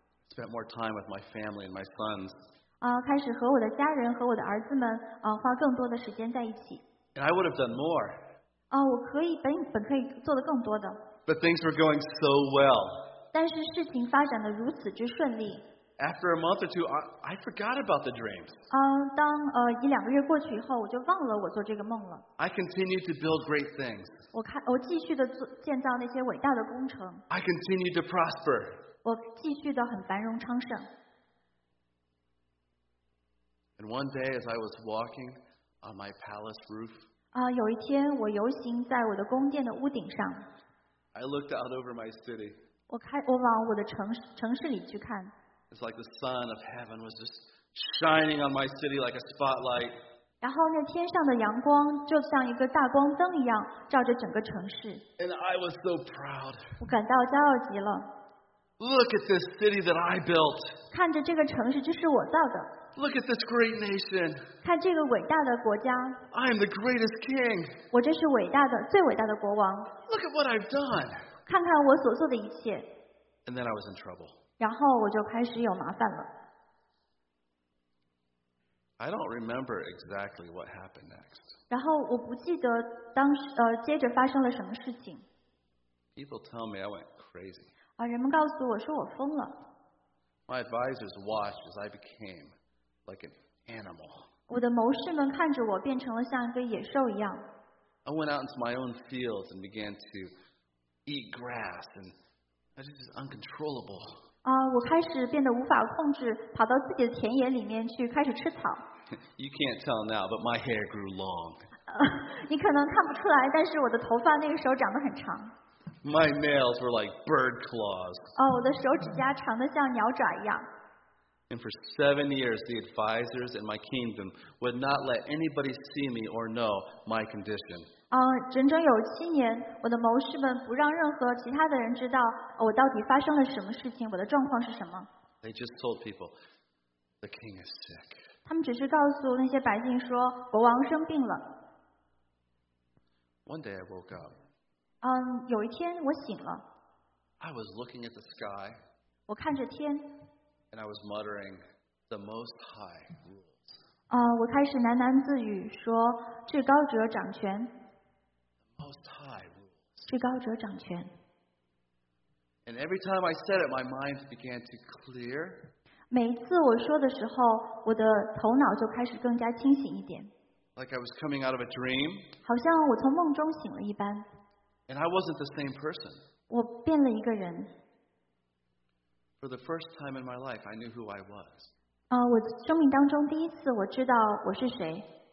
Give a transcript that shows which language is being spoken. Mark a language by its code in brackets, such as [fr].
[en] Spent more time with my family and my sons. [zh] 开始和我的家人和我的儿子们花更多的时间在一起。 [en] And I would have done more. [zh] 我可以本可以做得更多的。 [en] But things were going so well. [zh] 但是事情发展得如此之顺利。 [en] After a month or two, I forgot about the dreams. [zh] 当一两个月过去以后，我就忘了我做这个梦了。 [en] I continued to build great things. [zh] 我继续的建造那些伟大的工程。 [en] I continued to prosper. [zh] 我继续的很繁荣昌盛。 [en] And one day, as I was walking on my palace roof, [zh] 有一天我游行在我的宫殿的屋顶上。 [en] I looked out over my city. [zh] 我往我的城市里去看。 [en] It's like the sun of heaven was just shining on my city like a spotlight. [zh] 然后那天上的阳光就像一个大光灯一样照着整个城市。 [en] And I was so proud. [zh] 我感到骄傲极了。 [en] Look at this city that I built. [zh] 看着这个城市，这是我造的。 [en] Look at this great nation. [zh] 看这个伟大的国家。 [en] I am the greatest king. [zh] 我这是伟大的，最伟大的国王。 [en] Look at what I've done. [zh] 看看我所做的一切。 [en] And then I was in trouble. [zh] 然后我就开始有麻烦了。 [en] I don't remember exactly what happened next. [zh] 然后我不记得当时接着发生了什么事情。 [en] People tell me I went crazy. [zh] 啊，人们告诉我说我疯了。 [en] My advisors watched as I became like an animal. [zh] 我的谋士们看着我变成了像一个野兽一样。 [en] I went out into my own fields and began to eat grass, and I was just uncontrollable. [zh] 啊，我开始变得无法控制，跑到自己的田野里面去开始吃草。 [en] You can't tell now, but my hair grew long. [zh] 你可能看不出来，但是我的头发那个时候长得很长。 [en] My nails were like bird claws. [zh] 哦，我的手指甲长得像鸟爪一样。 [en] And for 7 years, the advisors in my kingdom would not let anybody see me or know my condition. [zh] 整整有七年，我的谋士们不让任何其他的人知道我到底发生了什么事情，我的状况是什么。 [en] They just told people, the king is sick. [zh] 他们只是告诉那些百姓说，国王生病了。 [en] One day I woke up. [zh] 有一天我醒了。 [en] I was looking at the sky. [zh] 我看着天。 [en] And I was muttering, "The Most High rules." [zh] 我开始喃喃自语说，至高者掌权。 [en] The Most High rules. [zh] 至高者掌权。 [en] And every time I said it, my mind began to clear. [zh] 每一次我说的时候，我的头脑就开始更加清醒一点。 [en] Like I was coming out of a dream. [zh] 好像我从梦中醒了一般。 [en] And I wasn't the same person. [zh] 我变了一个人。 [en] For the first time in my life, I knew who I was. [zh] 我生命当中第一次我知道我是谁。